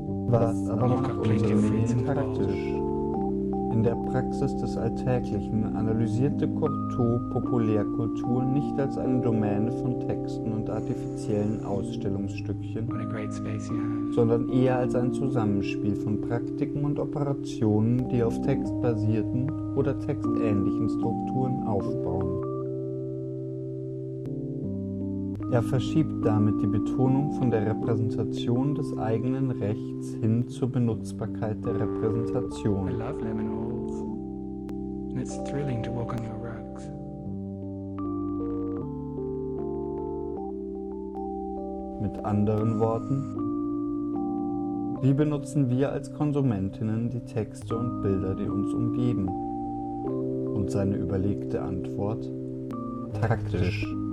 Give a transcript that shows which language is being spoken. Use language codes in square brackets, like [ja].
[de] Was aber macht unsere Medien taktisch? In der Praxis des Alltäglichen analysierte Courtois Populärkultur nicht als eine Domäne von Texten und artifiziellen Ausstellungsstückchen, sondern eher als ein Zusammenspiel von Praktiken und Operationen, die auf textbasierten oder textähnlichen Strukturen aufbauen. Er verschiebt damit die Betonung von der Repräsentation des eigenen Rechts hin zur Benutzbarkeit der Repräsentation. [en] I love lemon holes. And it's thrilling to walk on your rugs. [de] Mit anderen Worten, wie benutzen wir als Konsumentinnen die Texte und Bilder, die uns umgeben? Und seine überlegte Antwort? Taktisch.